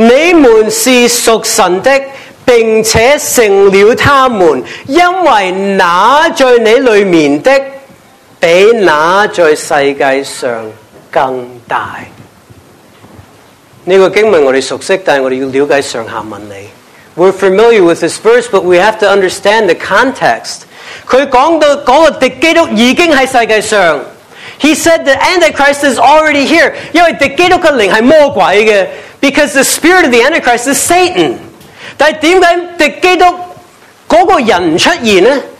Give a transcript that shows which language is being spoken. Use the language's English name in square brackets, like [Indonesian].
[Chinese] 約翰福音約翰一書四章三至四節，凡靈不認耶穌就不是出於神，這是那敵基督者的靈，你們從前聽見他要來，現在已經在世上了，小子們啊，你們是屬神的， 並且勝了他們，因為那在你裡面的比那在世界上更大。這個經文我們熟悉，但我們要了解上下文理。We're [English] familiar with this verse, but we have to understand the context. [Chinese] 他講到那個敵基督已經在世界上。 [English] He said the Antichrist is already here. [Chinese] 因為敵基督的靈是魔鬼的， [English] because the spirit of the Antichrist is Satan. [Chinese] 但為什麼敵基督那個人不出現呢?